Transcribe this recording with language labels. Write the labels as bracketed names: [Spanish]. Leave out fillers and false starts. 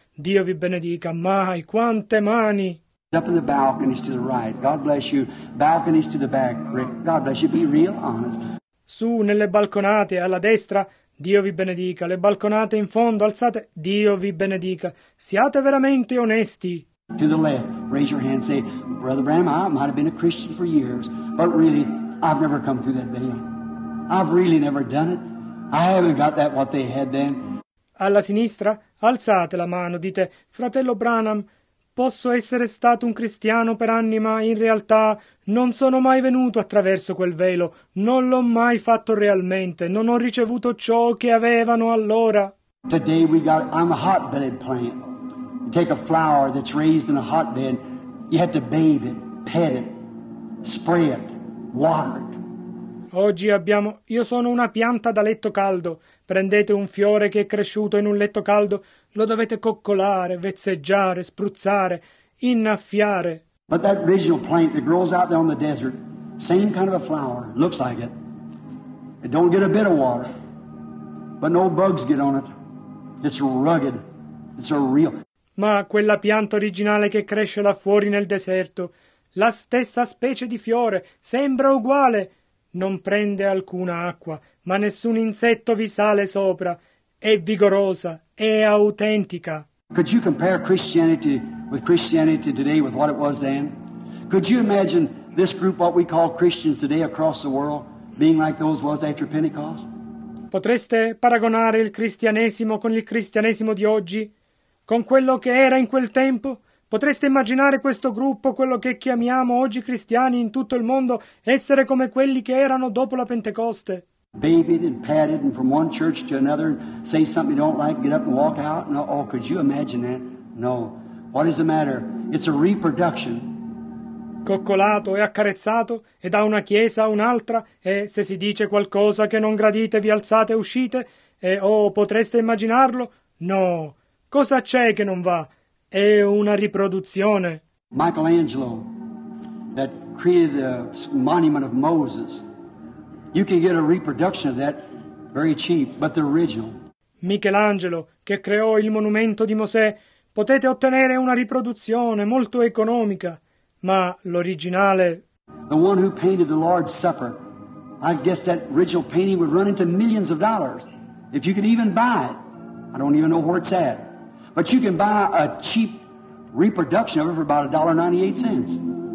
[Italian] Dio vi benedica. Mai, quante mani! [English] Up in the balconies to the right. God bless you. Balconies to the back. Rick, God bless you. Be real honest. [Italian] Su, nelle balconate, alla destra. Dio vi benedica, le balconate in fondo, alzate, Dio vi benedica, siate veramente onesti. [English] To the left, raise your hand, say, Brother Branham, I might have been a Christian for years, but really, I've never come through that veil. I've really never done it. I haven't got that what they had then. [Italian] Alla sinistra, alzate la mano, dite, Fratello Branham, Posso essere stato un cristiano per anni, ma in realtà non sono mai venuto attraverso quel velo. Non l'ho mai fatto realmente. Non ho ricevuto ciò che avevano allora. [English] Today we got, I'm a hotbed plant. You take a flower that's raised in a hotbed, you have to bathe it, pet it, spray it, water it. [Italian] Oggi abbiamo, io sono una pianta da letto caldo. Prendete un fiore che è cresciuto in un letto caldo, lo dovete coccolare, vezzeggiare, spruzzare, innaffiare. [English] But that original plant that grows out there on the desert, same kind of a flower, looks like it. It don't get a bit of water, but no bugs get on it. It's rugged. It's a real. [Italian] Ma quella pianta originale che cresce là fuori nel deserto, la stessa specie di fiore, sembra uguale. Non prende alcuna acqua, ma nessun insetto vi sale sopra. È vigorosa, è autentica. [English] Could you compare Christianity with Christianity today with what it was then? Could you imagine this group, what we call Christians today across the world, being like those was after Pentecost? [Italian] Potreste paragonare il cristianesimo con il cristianesimo di oggi? Con quello che era in quel tempo? Potreste immaginare questo gruppo, quello che chiamiamo oggi cristiani in tutto il mondo, essere come quelli che erano dopo la Pentecoste? [English] Babied and patted and from one church to another, say something you don't like, get up and walk out. No, oh, could you imagine that? No. What is the matter? It's a reproduction. [Italian] Coccolato e accarezzato, e da una chiesa a un'altra, e se si dice qualcosa che non gradite, vi alzate e uscite, e oh, potreste immaginarlo? No. Cosa c'è che non va? È una riproduzione. [English] Michelangelo, that created the monument of Moses, you can get a reproduction of that very cheap, but the original. [Italian] Michelangelo, che creò il monumento di Mosè, potete ottenere una riproduzione molto economica, ma l'originale. [English] The one who painted the Lord's Supper, I guess that original painting would run into millions of dollars. If you could even buy it, I don't even know where it's at. But you can buy a cheap reproduction of it for about $1.98.